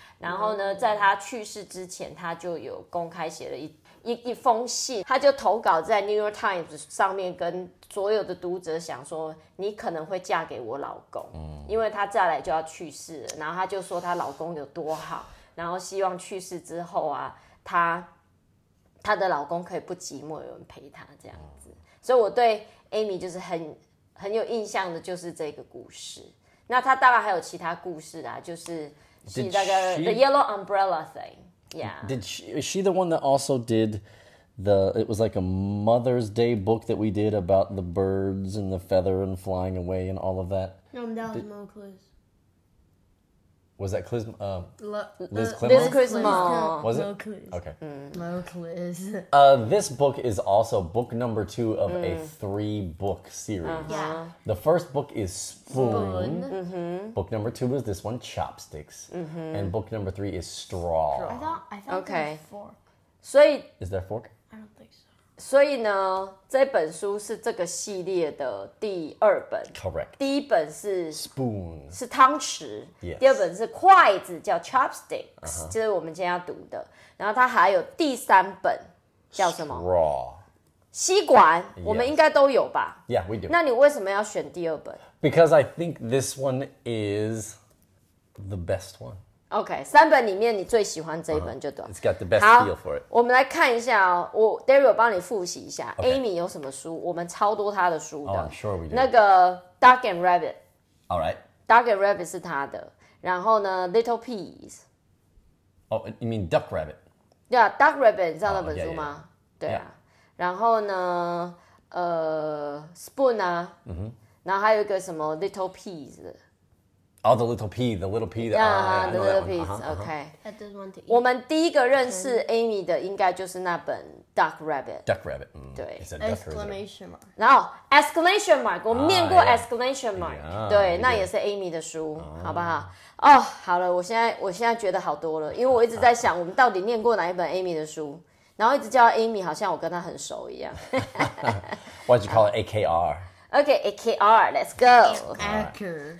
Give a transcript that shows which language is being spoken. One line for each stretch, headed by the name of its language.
Chinese: 然后呢，在他去世之前，他就有公开写了一封信，他就投稿在 New York Times 上面，跟所有的读者讲说，你可能会嫁给我老公，因为他再来就要去世了。然后他就说他老公有多好，然后希望去世之后啊，他。她的老公可以不寂寞，有人陪她这样子，所以我对 Amy 就是很有印象的，就是这个故事。那她当然还有其他故事啊，就是那个 The Yellow Umbrella Thing.
English: Yeah. Is she the one that also did the? It was like a Mother's Day book that we did about the birds and the feather and flying away and all of that. No, that was more close. Was that Clism? Liz Clismo? Liz Clismo. Was it? No Clism. Okay. No Clism. This book is also book number two of a three-book series. Uh-huh. Yeah. The first book is Spoon. Mm-hmm. Book number two was this one, Chopsticks. Mm-hmm. And book number three is Straw. I thought there was fork. Is there a fork? I don't think so.
Chinese: 所以呢，这本书是这个系列的第二本。
English: Correct.
Chinese: 第一本是
English: Spoon.
Chinese: 是汤匙。
English: Yes.
Chinese: 第二本是筷子，叫 Chopsticks. Uh-huh. 就是我们今天要读的。然后它还有第三本，叫什么？
English: Straw.
Chinese: 吸管。Yes. 我们应该都有吧？
English: Yeah, we do.
Chinese: 那你为什么要选第二本？
English: Because I think this one is the best one.
Chinese: Okay, 三本里面你最喜欢这一本就对了。
English: It's got the best feel for it.
Chinese: 我们来看一下哦，我 Daryl 帮你复习一下。 Okay. Amy 有什么书？我们超多她的书的。
English: Oh, I'm sure we do.
Chinese: 那个 Dog and Rabbit.
English: All right.
Chinese: Dog and Rabbit 是她的。 然后呢 ，Little Peas.
English: Oh, you mean Duck Rabbit?
Chinese: Yeah, Duck Rabbit 你知道那本书吗？ Yeah. 对啊。Yeah. 然后呢，Spoon 啊。 Mm-hmm. 然后还有一个什么 Little Peas。
English: Oh, the little pea. Yeah, the little pea. Okay. I just want to eat.
Chinese: 我们第一个认识 Amy 的应该就是那本 Duck Rabbit.
English: Duck Rabbit.
Chinese: 对。
English: Exclamation mark.
Chinese: 然后 exclamation mark. 我念过 exclamation mark. 对，那也是 Amy 的书，好不好？哦，好了，我现在觉得好多了，因为我一直在想，我们到底念过哪一本 Amy 的书，然后一直叫 Amy， 好像我跟她很熟一样。
English: Why'd you call it AKR? Okay, AKR, let's go. Right.